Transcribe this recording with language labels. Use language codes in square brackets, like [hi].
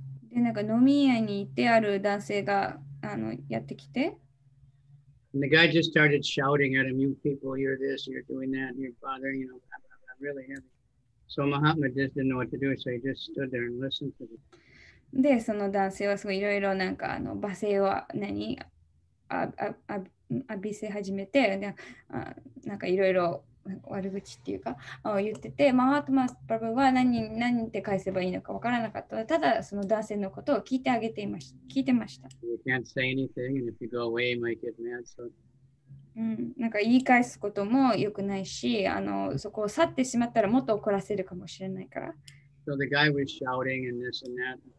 [ja] でなんか飲み屋に行ってある男性がやってきて。 [en] And the guy just started shouting at him, you people, you're this, you're doing that, you're bothering, you know, blah, blah, blah, really heavy. So Mahatma just didn't know what to do, so he just stood there and listened to them. [ja] で、その男性はすごいいろいろなんか罵声を何浴びせ始めて、なんかいろいろ悪口っていうか言ってて、マハトマスパブは何て返せばいいのか分からなかった。ただその男性のことを聞いてあげていました。聞いてました。 [en] You can't say anything, and if you go away, you might get mad. So, [ja] なんか言い返すことも良くないし、そこを去ってしまったらもっと怒らせるかもしれないから。 [en] So the guy was shouting and this and that.